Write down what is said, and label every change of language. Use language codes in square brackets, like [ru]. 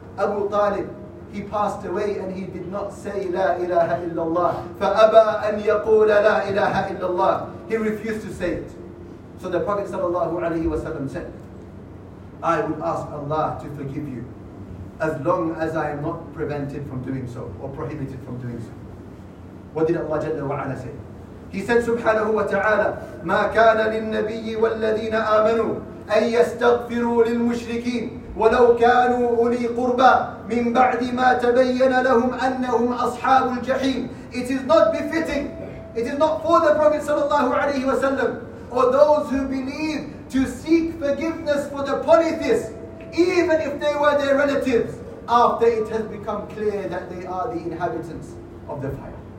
[en] Abu Talib, he passed away and he did not say [ar] لَا إِلَهَ إِلَّا اللَّهِ, [en] فَأَبَى أَنْ يَقُولَ لَا إِلَهَ إِلَّا اللَّهِ, he refused to say it. So the Prophet sallallahu alayhi wa sallam said, I will ask Allah to forgive you as long as I am not prevented from doing so or prohibited from doing so. What did Allah Jalla wa Ala say? He said, [ar] subhanahu wa ta'ala, مَا كَانَ لِلنَّبِيِّ وَالَّذِينَ آمَنُوا أَن يَسْتَغْفِرُوا لِلْمُشْرِكِينَ وَلَوْ كَانُوا أُولِي قُرْبَى مِن بَعْدِ مَا تَبَيَّنَ لَهُمْ أَنَّهُمْ أَصْحَابُ الْجَحِيمِ. [en] It is not befitting, it is not for the Prophet sallallahu alayhi wa sallam or those who believe to seek forgiveness for the polytheists, even if they were their relatives, after it has become clear that they are the inhabitants of the fire.